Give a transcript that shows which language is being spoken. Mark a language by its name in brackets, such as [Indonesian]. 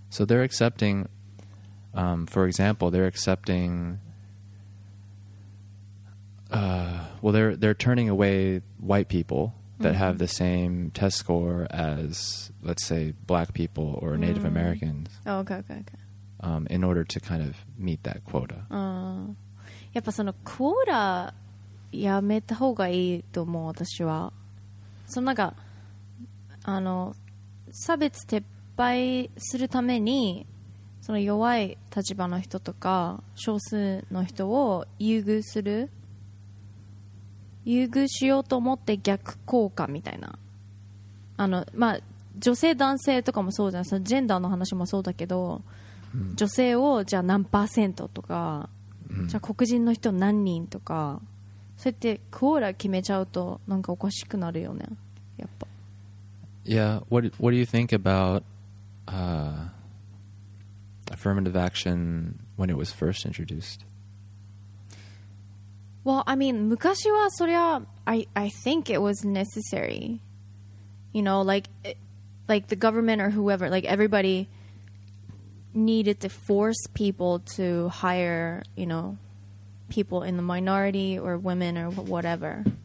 [English] So they're accepting, for example, they're accepting... well, they're turning away white people that have the same test score as, let's say, black people or Native Americans. Oh, okay. In order to kind of meet that quota. [Japanese] やっぱそのクォーラやめた方がいいと思う、私は。そのなんか、あの、差別撤廃するために、その弱い立場の人とか、少数の人を優遇する。優遇しようと思って逆効果みたいな、あの、まあ、女性男性とかもそうじゃん、そのジェンダーの話もそうだけど、女性をじゃあ何パーセントとか、じゃあ黒人の人何人とか、そうやってクォーラ決めちゃうとなんかおかしくなるよねやっぱ。 [English] Yeah, what do you think about affirmative action when it was first introduced? Well, I mean, [Japanese] 昔はそりゃ [English] I think it was necessary. You know, like the government or whoever, like everybody needed to force people to hire, you know, people in the minority or women or whatever.